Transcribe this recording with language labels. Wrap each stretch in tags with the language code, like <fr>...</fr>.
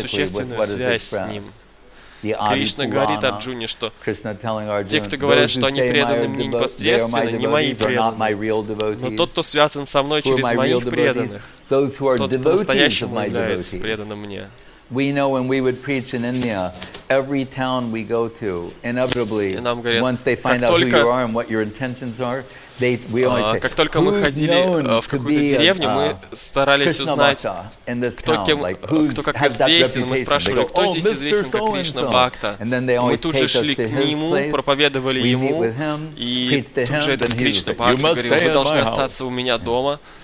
<ru>существенную связь с Ним. Кришна говорит Арджуне, что те, кто говорят, что они преданы мне непосредственно, не мои преданные, но тот, кто связан со мной через моих преданных, тот, кто настоящим является преданным мне.</ru> <en>We know when we would preach in India, every town we go to, inevitably,</en> <ru>говорят,</ru> <en>once they find out who you are and what your intentions are, we always say,</en> <ru>как только мы ходили в какую-то деревню, мы старались узнать, кто как известен, мы спрашивали, кто здесь известен как Кришна Бхакта. Мы тут же шли к нему, проповедовали ему, и тут же этот Кришна Бхакта говорил, вы должны остаться у меня дома.</ru>